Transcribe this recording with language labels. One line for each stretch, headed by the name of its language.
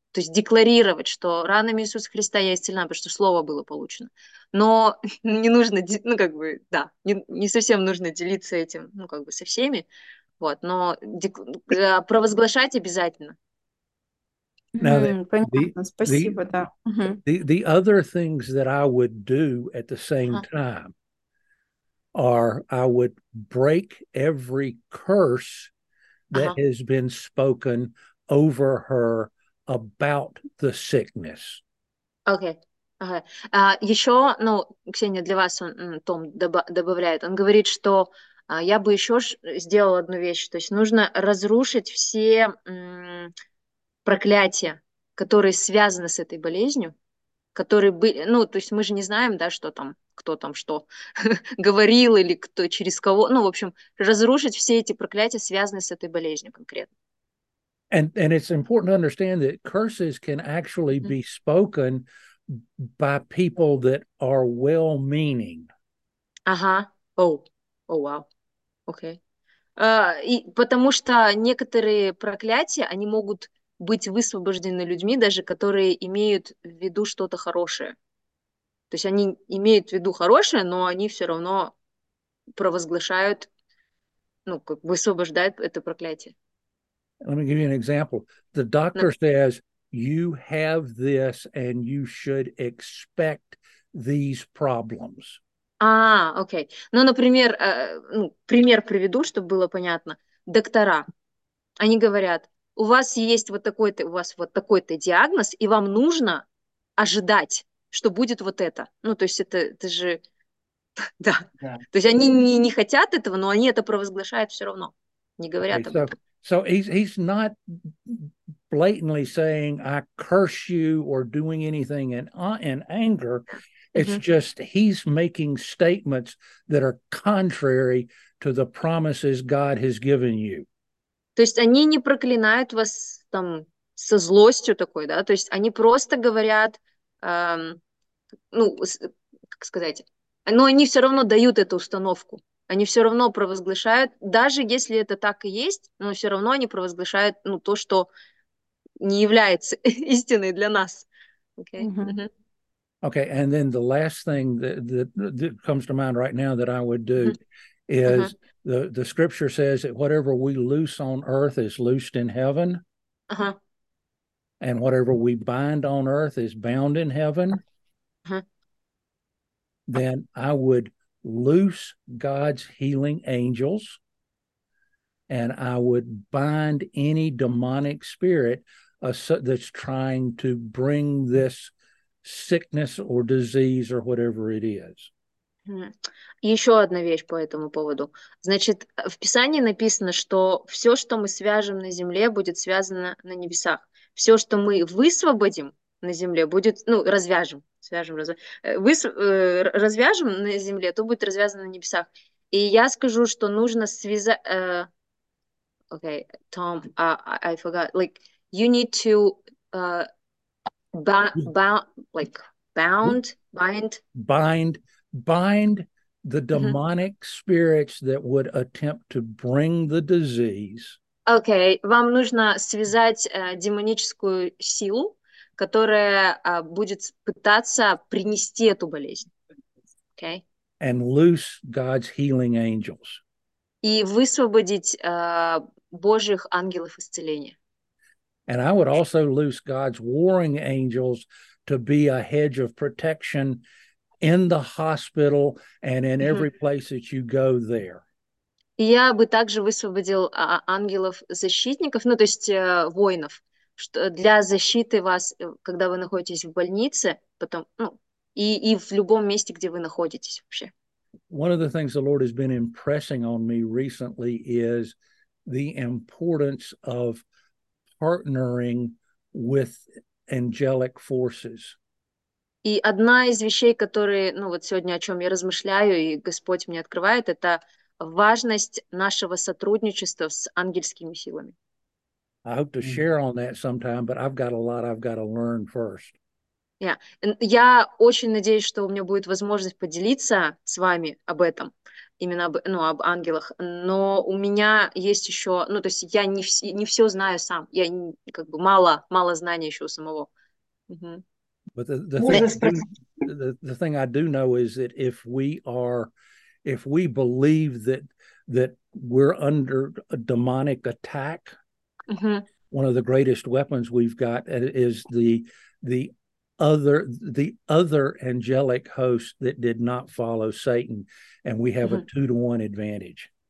Russian: То есть декларировать, что ранами Иисуса Христа я исцелена, потому что слово было получено. Но не нужно, ну как бы, да, не совсем нужно делиться этим, ну как бы, со всеми. Вот, но провозглашать обязательно. Понятно, спасибо, да.
English: The other things that I would do at the same time are I would break every curse that has been spoken over her about the sickness. Okay.
Russian: Еще, ну, Ксения, для вас он, Том добавляет, он говорит, что Я бы еще сделала одну вещь. То есть нужно разрушить все проклятия, которые связаны с этой болезнью, которые были, ну, то есть мы же не знаем, да, что там, кто там что говорил или кто через кого, ну, в общем, разрушить все эти проклятия, связанные с этой болезнью конкретно.
English: And it's important to understand that curses can actually be spoken by people that are well-meaning.
Russian: Ага.
English: Oh, wow. Okay.
Russian: И потому что некоторые проклятия, они могут быть высвобождены людьми, даже которые имеют в виду что-то хорошее. То есть они имеют в виду хорошее, но они все равно провозглашают, ну, как высвобождают это проклятие.
English: Let me give you an example. The doctor says, you have this and you should expect these problems.
Russian: А, окей. Ну, например, ну, пример приведу, чтобы было понятно. Доктора, они говорят, у вас есть вот такой-то, у вас вот такой-то диагноз, и вам нужно ожидать, что будет вот это. Ну, то есть это же, да. То есть они не хотят этого, но они это провозглашают все равно. Не говорят об этом.
English: So he's not blatantly saying, I curse you or doing anything in anger. It's just he's making statements that are contrary to the promises God has given you.
Russian: То есть они не проклинают вас там со злостью такой, да? То есть они просто говорят, ну, как сказать, но они все равно дают эту установку. Они все равно провозглашают, даже если это так и есть, но все равно они провозглашают, ну, то, что не является истиной для нас.
English: Okay. Okay, and then the last thing that comes to mind right now that I would do is the scripture says that whatever we loose on earth is loosed in heaven, and whatever we bind on earth is bound in heaven. Then I would loose God's healing angels, and I would bind any demonic spirit that's trying to bring this sickness or disease or whatever it is.
Russian: Еще одна вещь по этому поводу. Значит, в Писании написано, что все, что мы свяжем на земле, будет связано на небесах. Все, что мы высвободим на земле, будет, ну, развяжем. Развяжем на земле, то будет развязано на небесах. И я скажу, что нужно связать...
English: Okay, Tom, I forgot. Like, you need to bind the demonic spirits that would attempt to bring the disease.
Russian: Okay, вам нужно связать демоническую силу, которая будет пытаться принести эту болезнь.
English: Okay. And loose God's healing angels.
Russian: И высвободить Божьих ангелов исцеления.
English: And I would also loose God's warring angels to be a hedge of protection in the hospital and in every place that you go there.
Russian: Я бы также высвободил ангелов-защитников, ну, то есть воинов, для защиты вас, когда вы находитесь в больнице, потом, ну, и в любом месте, где вы находитесь вообще.
English: One of the things the Lord has been impressing on me recently is the importance of partnering with angelic forces.
Russian: И одна из вещей, которые, ну, вот сегодня, о чем я размышляю, и Господь мне открывает, это важность нашего сотрудничества с ангельскими силами.
English: I hope to share on that sometime, but I've got a lot I've got to learn first. Yeah.
Russian: Я очень надеюсь, что у меня будет возможность поделиться с вами об этом, именно об, ну, об ангелах. Но у меня есть еще, ну, то есть я не все знаю сам. Я как бы мало знания еще у самого.
English: But the thing I do know is that if we believe that we're under a demonic attack, one of the greatest weapons we've got is the other angelic host that did not follow Satan, and we have a 2-to-1 advantage.